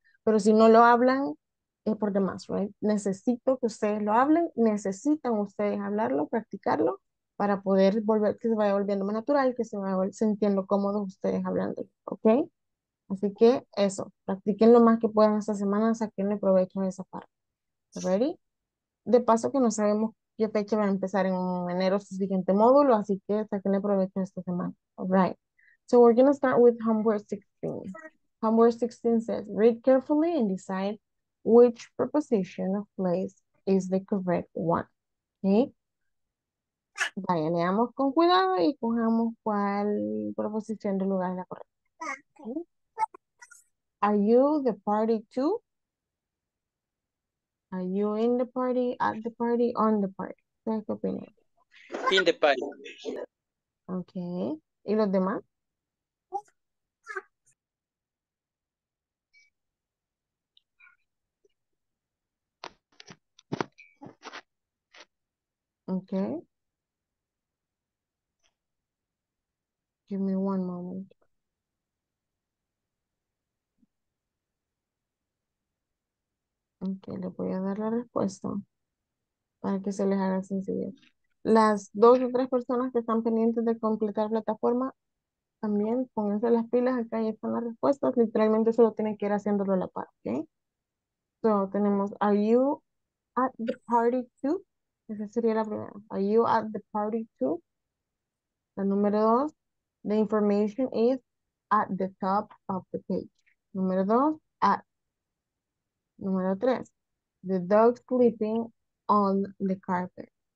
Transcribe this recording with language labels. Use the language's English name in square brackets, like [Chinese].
[Spanish] Pero si no lo hablan, es por demás, ¿right? Necesito que ustedes lo hablen, necesitan ustedes hablarlo, practicarlo, para poder volver, que se vaya volviendo más natural, que se vaya sintiendo cómodos ustedes hablando, ¿ok? Así que eso, practiquen lo más que puedan esta semana, saquenle provecho a esa parte. ¿Ready? De paso que no sabemos qué fecha va a empezar en enero su siguiente módulo, así que saquenle provecho a esta semana. [English] All right. So we're going to start with homework 16. Homework 16 says, read carefully and decide which preposition of place is the correct one. ¿Ok? [Spanish] Vaya, leamos con cuidado y cojamos cuál proposición del lugar es la correcta. [English] Are you the party too? Are you in the party, at the party, on the party? [Spanish] ¿Qué opinión? [English] In the party. [Spanish] Okay. ¿Y los demás? Okay. [English] Give me one moment. [Spanish] Ok, le voy a dar la respuesta para que se les haga sencillo. Las dos o tres personas que están pendientes de completar plataforma, también pónganse las pilas, acá ya están las respuestas. Literalmente solo tienen que ir haciéndolo a la par, ¿ok? [English] So, [Spanish] tenemos, [English] are you at the party too? [Spanish] Esa sería la primera. [English] Are you at the party too? [Spanish] La número dos, [English] the information is at the top of the page. [Spanish] Número dos, [English] at. [Spanish] Número tres, [English] the dog sleeping on the carpet.